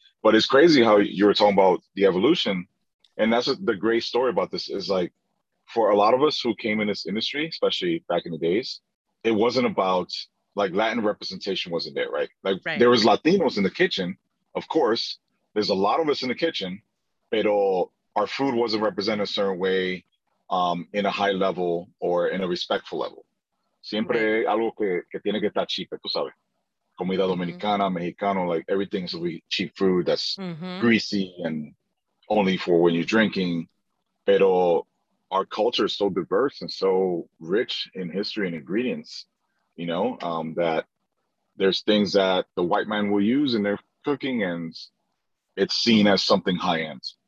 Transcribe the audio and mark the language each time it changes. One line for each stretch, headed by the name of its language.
English: But it's crazy how you were talking about the evolution. And that's the great story about this is like, for a lot of us who came in this industry, especially back in the days, it wasn't about like Latin representation wasn't there, right? Like right. There was Latinos in the kitchen. Of course, there's a lot of us in the kitchen, but our food wasn't represented a certain way in a high level or in a respectful level.
Spanish: Siempre right. Algo que tiene que estar cheap, tú sabes. Comida mm-hmm. Dominicana, Mexicano,
English: like everything's a cheap food that's mm-hmm. greasy and only for when you're drinking. Pero our culture is so diverse and so rich in history and ingredients, you know, that there's things that the white man will use in their cooking and it's seen as something high end.